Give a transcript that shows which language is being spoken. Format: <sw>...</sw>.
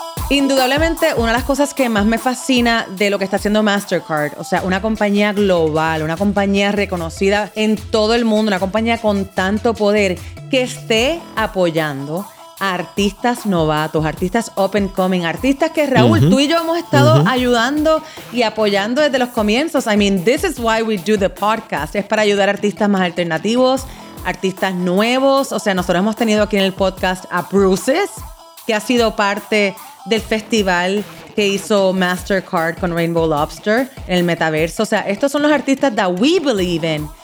<es>Indudablemente, una de las cosas que más me fascina de lo que está haciendo MasterCard, o sea, una compañía global, una compañía reconocida en todo el mundo, una compañía con tanto poder, que esté apoyando a artistas novatos, artistas up and coming, artistas que Raúl, uh-huh. tú y yo hemos estado uh-huh. ayudando y apoyando desde los comienzos.</es> <en>I mean, this is why we do the podcast.</en> <es>Es para ayudar a artistas más alternativos, artistas nuevos. O sea, nosotros hemos tenido aquí en el podcast a Bruces, que ha sido parte del festival que hizo MasterCard con Rainbow Lobster en el metaverso. O sea, estos son los artistas</es> <en>that we believe in.</en>